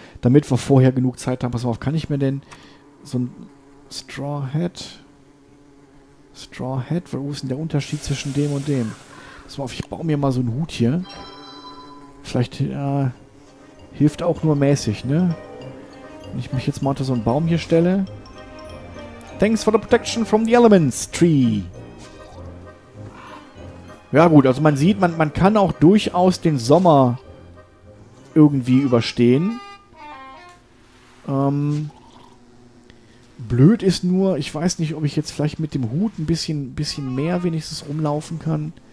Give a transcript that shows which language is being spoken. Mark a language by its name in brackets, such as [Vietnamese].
[German] Damit wir vorher genug Zeit haben. Pass mal auf, kann ich mir denn so ein Straw Hat? Straw Hat? Wo ist denn der Unterschied zwischen dem und dem? Pass mal auf, ich baue mir mal so einen Hut hier. Vielleicht hilft auch nur mäßig, ne? Wenn ich mich jetzt mal unter so einen Baum hier stelle. [English] Thanks for the protection from the elements, Tree. [German] Ja gut, also man sieht, man kann auch durchaus den Sommer irgendwie überstehen. Blöd ist nur, ich weiß nicht, ob ich jetzt vielleicht mit dem Hut ein bisschen mehr wenigstens rumlaufen kann.